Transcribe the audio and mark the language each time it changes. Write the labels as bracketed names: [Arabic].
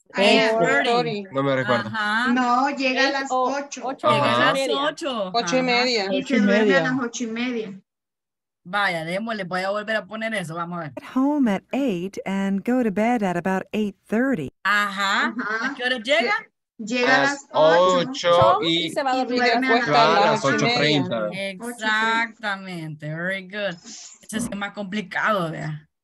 [Spanish] Vaya, démosle, voy a volver a poner eso, vamos a ver. [English] Get home at 8 and go to bed at about 8:30. [Spanish] Ajá. ¿A qué hora llega? Llega a las 8 y se va a dormir después a las 8:30. Exactamente. [English] Very good. [Spanish] Ese es más complicado, vea.